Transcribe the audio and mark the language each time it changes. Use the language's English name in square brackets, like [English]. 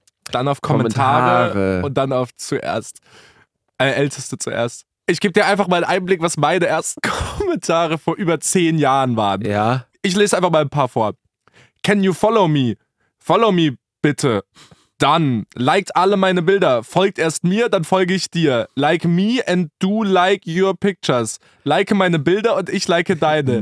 [German] Dann auf Kommentare. Und dann auf zuerst. Älteste zuerst. Ich gebe dir einfach mal einen Einblick, was meine ersten Kommentare vor über 10 Jahren waren. Ja. Ich lese einfach mal ein paar vor. [English] Can you follow me? Follow me, [German] bitte. Dann liked alle meine Bilder. Folgt erst mir, dann folge ich dir. [English] Like me and do like your pictures. [German] Like meine Bilder und ich like deine.